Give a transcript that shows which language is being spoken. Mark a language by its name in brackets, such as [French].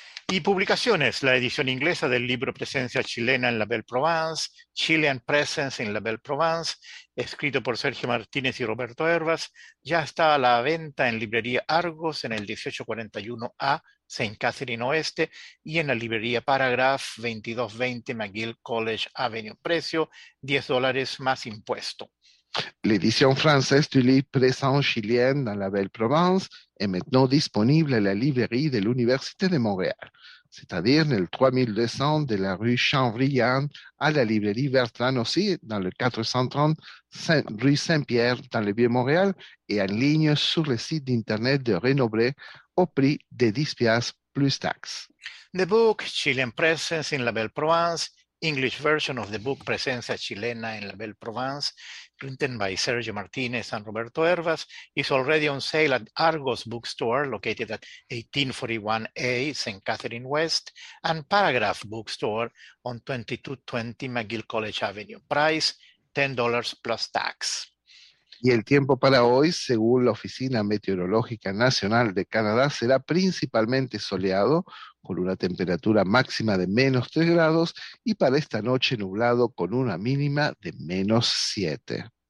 [Spanish] Y publicaciones, la edición inglesa del libro Presencia Chilena en la Belle Provence, Chilean Presence in la Belle Provence, escrito por Sergio Martínez y Roberto Hervas, ya está a la venta en librería Argos en el 1841A, Saint Catherine Oeste, y en la librería Paragraph 2220 McGill College Avenue. Precio, $10 más impuesto. La edición francesa [French] du livre Présent Chilien dans la Belle Provence est maintenant disponible à la librairie de l'Université de Montréal, c'est-à-dire [Spanish] en el [French] 3200 de la rue Chambrillan à la librairie Bertrand aussi, dans le 430 rue Saint-Pierre dans le Vieux-Montréal et en ligne sur le site d'internet de Renobré au prix de 10 piastres plus taxes. [English] The book Chilean Presence in la Belle Provence, English version of the book Presencia Chilena en la Belle Provence, written by Sergio Martínez and Roberto Hervas, is already on sale at Argos Bookstore, located at 1841A St. Catherine West, and Paragraph Bookstore on 2220 McGill College Avenue. Price, $10 plus tax. [Spanish] Y el tiempo para hoy, según la Oficina Meteorológica Nacional de Canadá, será principalmente soleado, con una temperatura máxima de menos 3 grados, y para esta noche nublado con una mínima de menos 7.